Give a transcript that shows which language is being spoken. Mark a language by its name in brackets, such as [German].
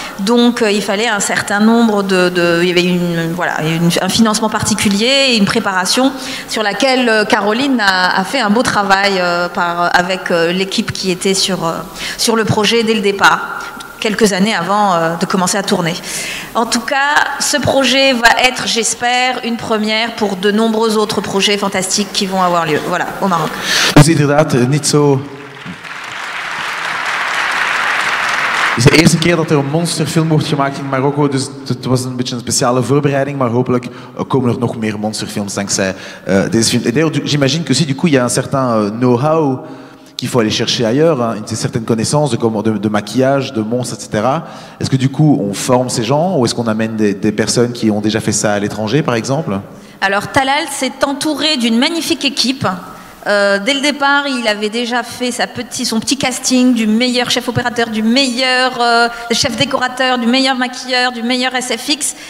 [French] Donc, il fallait un certain nombre un financement particulier et une préparation sur laquelle Caroline a fait un beau travail avec l'équipe qui était sur le projet dès le départ. Quelques années avant de commencer à tourner. En tout cas, ce projet va être, j'espère, une première pour de nombreux autres projets fantastiques qui vont avoir lieu, voilà, au Maroc. [Dutch] Dus inderdaad, niet zo. Het is de eerste keer dat er een monsterfilm wordt gemaakt in Marokko, dus het was een beetje een speciale voorbereiding, maar hopelijk komen er nog meer monsterfilms dankzij deze film. [French] J'imagine que si, du coup, il y a un certain know-how qu'il faut aller chercher ailleurs, hein, une certaine connaissance de maquillage, de monstres, etc. Est-ce que du coup, on forme ces gens ou est-ce qu'on amène des personnes qui ont déjà fait ça à l'étranger, par exemple? Alors, Talal s'est entouré d'une magnifique équipe. Dès le départ, il avait déjà fait son petit casting du meilleur chef opérateur, du meilleur chef décorateur, du meilleur maquilleur, du meilleur SFX.